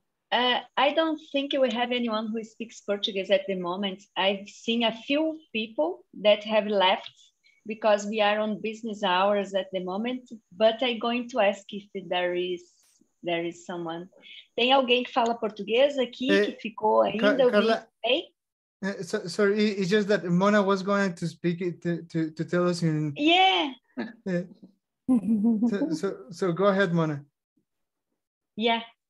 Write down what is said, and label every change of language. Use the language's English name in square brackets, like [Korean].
[English] I don't think we have anyone who speaks Portuguese at the moment. I've seen a few people that have left because we are on business hours at the moment, but I'm going to ask if there is someone. [Portuguese] Tem alguém que fala português aqui, que ficou ainda? [English] Carla, sorry, it's just that Mona was going to speak to tell us in... Yeah. So go ahead, Mona. Yeah.